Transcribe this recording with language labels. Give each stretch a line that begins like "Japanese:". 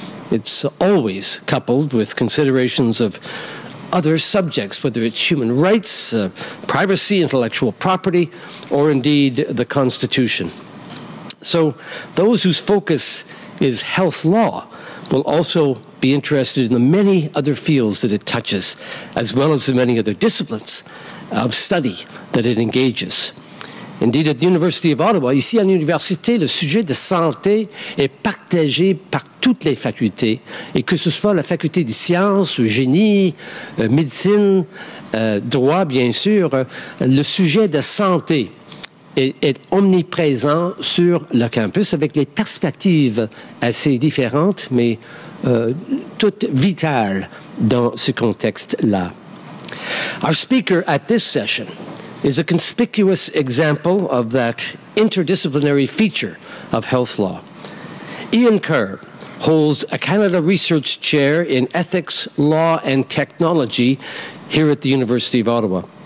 English: It's always coupled with considerations of other subjects, whether it's human rights, privacy, intellectual property, or indeed the Constitution. So those whose focus is health law will also be interested in the many other fields that it touches, as well as the many other disciplines of study that it engages. Indeed, at the University of Ottawa,
French: ici à l'université, le sujet de santé est partagé par toutes les facultés, et que ce soit la faculté des sciences, ou génie, médecine, droit, bien sûr, le sujet de santé est omniprésent sur le campus avec des perspectives assez différentes, mais toutes vitales dans ce contexte-là.
English: Our speaker at this session is a conspicuous example of that interdisciplinary feature of health law. Ian Kerr holds a Canada Research Chair in Ethics, Law, and Technology here at the University of Ottawa.